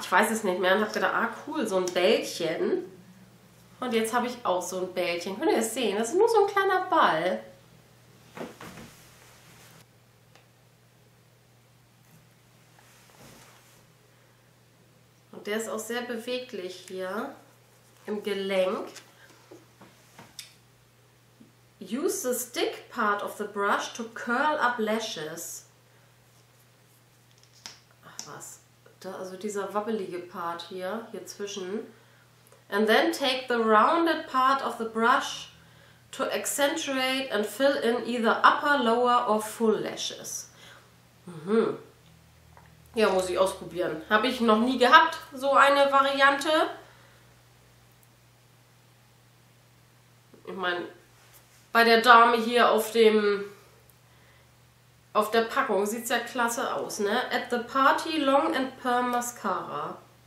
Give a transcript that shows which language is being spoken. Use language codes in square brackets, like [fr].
[de] Ich weiß es nicht mehr. Und habe gedacht, ah cool, so ein Bällchen. Und jetzt habe ich auch so ein Bällchen. Könnt ihr es sehen? Das ist nur so ein kleiner Ball. Der ist auch sehr beweglich hier im Gelenk. [en] Use the stick part of the brush to curl up lashes. [de] Ach was, da, also dieser wabbelige Part hier, hier zwischen. [en] And then take the rounded part of the brush to accentuate and fill in either upper, lower or full lashes. [de] Mhm. Ja, muss ich ausprobieren. Habe ich noch nie gehabt, so eine Variante. Ich meine, bei der Dame hier auf dem, auf der Packung sieht es ja klasse aus, ne? [en] At the Party Long and Perm Mascara.